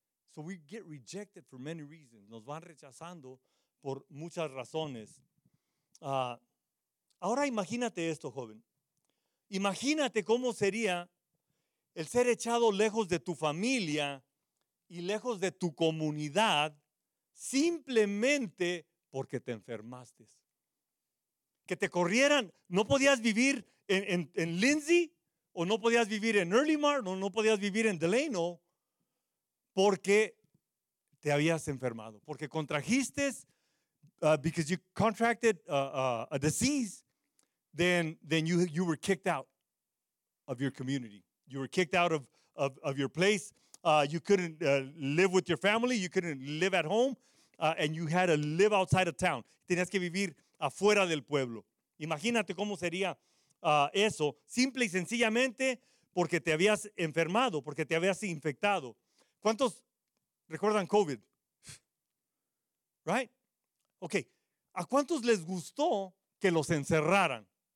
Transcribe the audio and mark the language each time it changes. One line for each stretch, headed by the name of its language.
English: So we get rejected for many reasons.
Spanish: Nos van rechazando por muchas razones. Ahora imagínate esto, joven. Imagínate cómo sería el ser echado lejos de tu familia y lejos de tu comunidad simplemente porque te enfermaste. Que te corrieran. No podías vivir en Lindsay o no podías vivir en Early Martin o no podías vivir en Delano porque te habías enfermado. Porque contrajiste,
English: because you contracted a disease. Then you were kicked out of your community. You were kicked out of your place. You couldn't live with your family. You couldn't live at home. And you had to live outside of town.
Spanish: Tenías que vivir afuera del pueblo. Imagínate cómo sería eso. Simple y sencillamente porque te habías enfermado, porque te habías infectado. ¿Cuántos recuerdan COVID?
English: Right?
Spanish: Okay. ¿A cuántos les gustó que los encerraran?